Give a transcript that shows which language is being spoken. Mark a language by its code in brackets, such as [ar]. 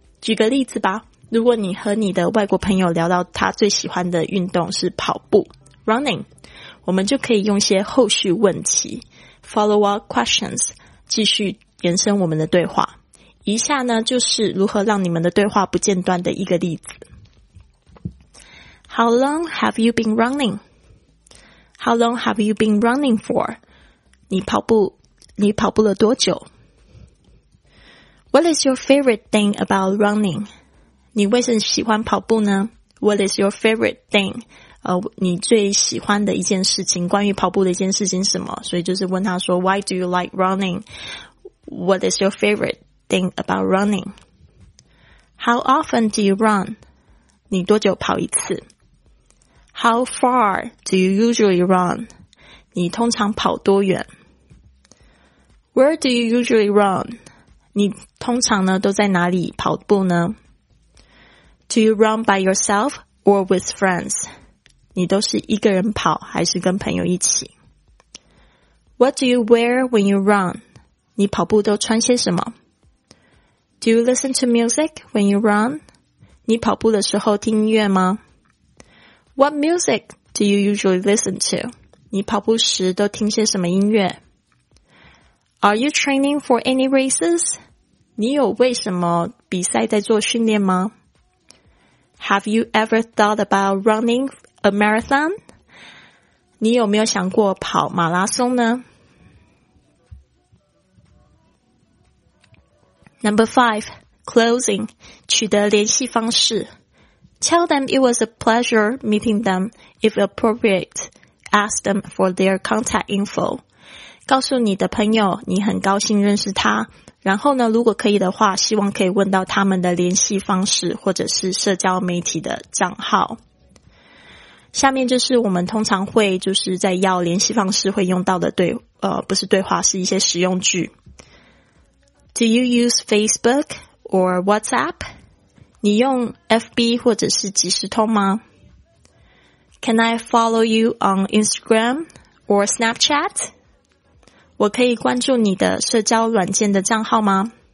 [zh] 举个例子吧，如果你和你的外国朋友聊到他最喜欢的运动是跑步 running， 我们就可以用些后续问题 [en] follow up questions [zh] 继续延伸我们的对话。以下呢就是如何让你们的对话不间断的一个例子。 [en] How long have you been running? How long have you been running for? [zh] 你跑步了多久？ [en] What is your favorite thing about running? [zh] 你为什么喜欢跑步呢？ [en] What is your favorite thing? [zh] 你最喜欢的一件事情，关于跑步的一件事情是什么？所以就是问他说 [en] Why do you like running? What is your favorite? Think about running. How often do you run? [zh] 你多久跑一次？ [en] How far do you usually run? [zh] 你通常跑多远？ [en] Where do you usually run? [zh] 你通常呢都在哪里跑步呢？ [en] Do you run by yourself or with friends? [zh] 你都是一个人跑还是跟朋友一起？ [en] What do you wear when you run? [zh] 你跑步都穿些什么？ [en] Do you listen to music when you run? [zh] 你跑步的时候听音乐吗？ [en] What music do you usually listen to? [zh] 你跑步时都听些什么音乐？ [en] Are you training for any races? [zh] 你有为什么比赛在做训练吗？ [en] Have you ever thought about running a marathon? [zh] 你有没有想过跑马拉松呢？ [en] Number 5, closing, [zh] 取得联系方式。 [en] Tell them it was a pleasure meeting them. If appropriate, ask them for their contact info. [zh] 告诉你的朋友你很高兴认识他，然后呢如果可以的话希望可以问到他们的联系方式或者是社交媒体的账号。下面就是我们通常会就是在要联系方式会用到的不是对话，是一些实用句。 [en] Do you use Facebook or WhatsApp? [zh] 你用 FB 或者是即时通吗？ [en] Can I follow you on Instagram or Snapchat? [zh] 我可以关注你的社交软件的账号吗？